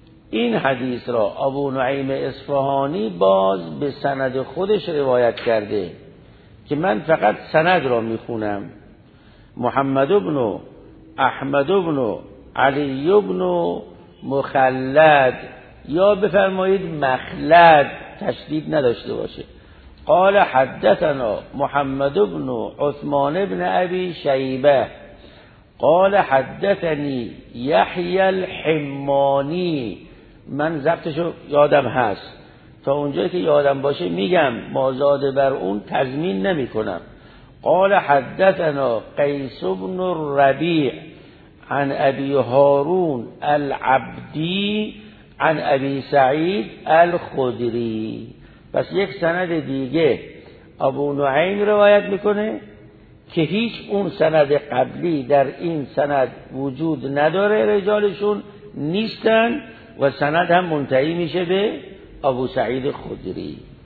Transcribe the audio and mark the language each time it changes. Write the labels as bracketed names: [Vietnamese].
[Persian] این حدیث را ابو نعیم اصفهانی باز به سند خودش روایت کرده که من فقط سند را میخونم. محمد ابن احمد ابن علی ابن مخلد، یا بفرمایید مخلد، تشدید نداشته باشه. [Arabic] قال حدثنا محمد ابن عثمان ابن ابی شیبه قال حدثني يحيى الحماني. [Persian] من ضبطشو یادم هست، تا اونجایی که یادم باشه میگم، مازاد بر اون تضمین نمی کنم. [Arabic] قال حدثنا قيس بن الربيع عن ابي هارون العبدي عن ابي سعيد الخدري. [Persian] پس یک سند دیگه ابو نعیم روایت میکنه که هیچ اون سند قبلی در این سند وجود نداره، رجالشون نیستن و سند هم منتهی میشه به ابو سعید خدری.